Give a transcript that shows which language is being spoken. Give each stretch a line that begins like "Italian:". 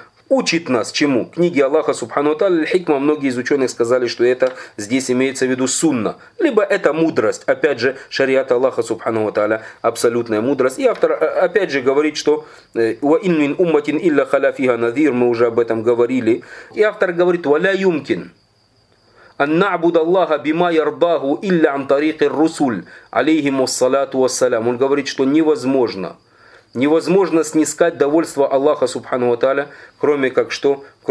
Russian: Учит нас чему? Книги Аллаха, субхану ва тааля, аль-хикма. Многие из ученых сказали, что это здесь имеется в виду сунна. Либо это мудрость. Опять же, шариат Аллаха, субхану ва тааля, абсолютная мудрость. И автор опять же говорит, что
Arabic: «Ва ин мин умматин илля халя фиха назир».
Russian: Мы уже об этом говорили. И автор говорит,
Arabic: «Ва ля юмкин». أن نعبد الله بما يرضاه إلا عن طريق الرسل عليهم الصلاة والسلام.
Russian: Он говорит, что невозможно снискать довольство Аллаха, субхану ва тааля, кроме как что?